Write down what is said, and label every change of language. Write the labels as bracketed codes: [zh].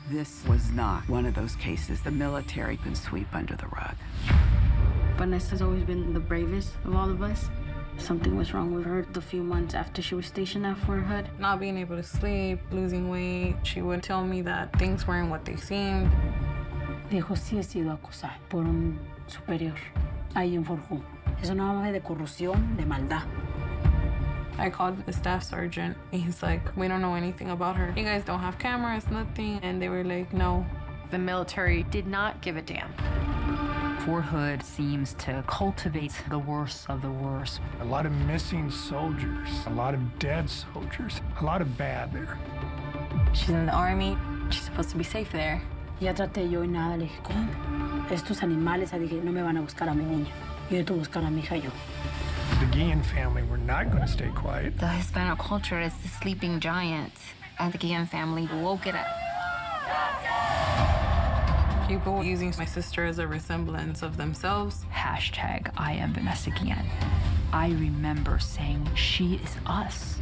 [en] This was not one of those cases the military can sweep under the rug. Vanessa's always been the bravest of all of us. Something was wrong with her the few months after she was stationed at Fort Hood. Not being able to sleep, losing weight. She would tell me that things weren't what they seemed. [es] Dijo si ha sido acosada por un superior ahí en Fort Hood. Es una ave de corrupción, de maldad. [en] I called the staff sergeant. He's like, we don't know anything about her. You guys don't have cameras, nothing. And they were like, no. The military did not give a damn. Fort Hood seems to cultivate the worst of the worst. A lot of missing soldiers, a lot of dead soldiers, a lot of bad there. She's in the Army. She's supposed to be safe there. [es] Ya traté yo y nada, le dije, ¿cómo? Estos animales, le dije, no me van a buscar a mi niña. Yo tengo que buscar a mi hija yo. [en] The Guillen family were not going to stay quiet. The Hispanic culture is the sleeping giant, and the Guillen family woke it up. People using my sister as a resemblance of themselves. Hashtag I am Vanessa Guillen. I remember saying she is us.